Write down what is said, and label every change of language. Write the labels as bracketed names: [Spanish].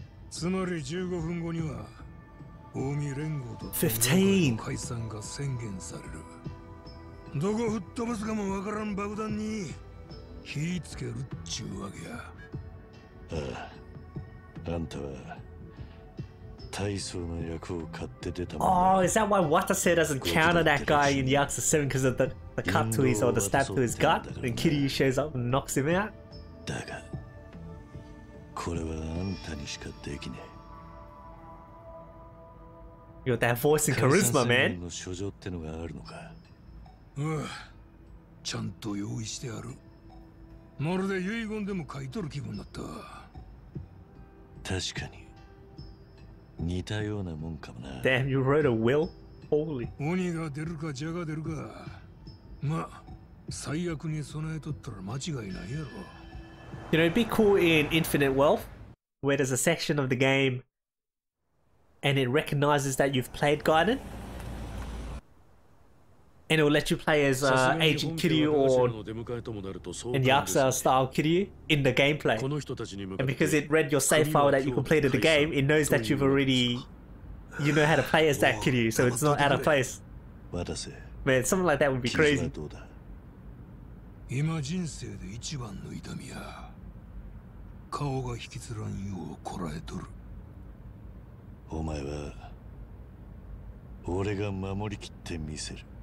[Japanese] つまり15分後には、オウミ連合と解散が宣言される。どこ吹っ飛ばすかもわからん爆弾に火つけるっちゅうわけや。ああ、あんたは大層の役を買って出たもんね。 [English] Oh, is that why Watase doesn't counter that guy in Yakuza 7 because of the cut to his or the stab to his gut? And Kiryu shows up and knocks him out? [Japanese] だが…これはあんたにしかできねえ。 [English] You got that voice and charisma, man. [Japanese] 解散宣言の書状ってのがあるのか。うん。ちゃんと用意してある。まるで遺言でも書いとる気分だった。確かに。似たようなもんかもな。 [English] Damn, you wrote a will? Holy. [Japanese] 鬼が出るか蛇が出るか。まあ、最悪に備えとったら間違いないやろ。 [English] You know, it'd be cool in Infinite Wealth, where there's a section of the game and it recognizes that you've played Gaiden. And it'll let you play as Agent Kiryu or in Yakuza style Kiryu in the gameplay. And because it read your save file that you completed the game, it knows that you've already, you know how to play as that Kiryu, so it's not out of place. Man, something like that would be crazy. [Japanese] 今人生で一番の痛みや顔が引きつらんようこらえとる。お前は俺が守りきってみせる。